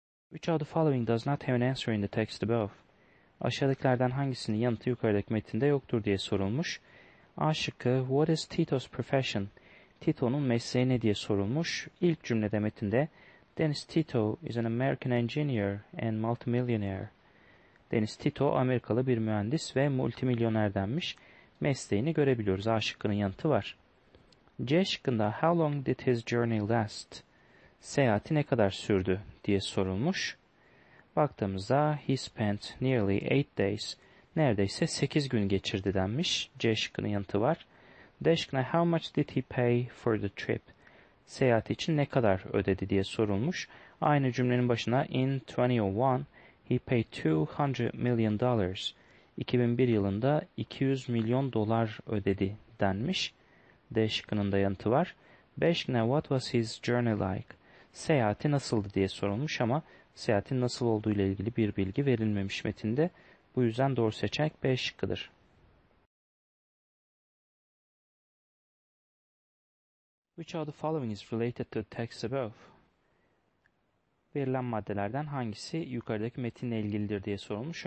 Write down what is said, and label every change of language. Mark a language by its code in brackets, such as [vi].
[en] Which of the following does not have an answer in the text above? [tr] Aşağıdakilerden hangisinin yanıtı yukarıdaki metinde yoktur diye sorulmuş. A şıkkı, [en] what is Tito's profession? [tr] Tito'nun mesleği ne diye sorulmuş. İlk cümlede metinde, [en] Dennis Tito is an American engineer and multimillionaire. [tr] Dennis Tito, Amerikalı bir mühendis ve multimilyoner denmiş. Mesleğini görebiliyoruz. A şıkkının yanıtı var. C şıkkında, [en] how long did his journey last? [tr] Seyahati ne kadar sürdü diye sorulmuş. Baktığımızda [en] he spent nearly 8 days, [tr] neredeyse 8 gün geçirdi denmiş. C şıkkının yanıtı var. D şıkkına [en] how much did he pay for the trip? [tr] Seyahat için ne kadar ödedi diye sorulmuş. Aynı cümlenin başına [en] in 2001 he paid $200 million. [tr] 2001 yılında 200 milyon dolar ödedi denmiş. D şıkkının da yanıtı var. B şıkkına [en] what was his journey like? [tr] Seyahati nasıldı diye sorulmuş ama seyahatin nasıl olduğu ile ilgili bir bilgi verilmemiş metinde. Bu yüzden doğru seçenek B şıkkıdır. [en] Which of the following is related to the text above? [tr] Verilen maddelerden hangisi yukarıdaki metinle ilgilidir diye sorulmuş.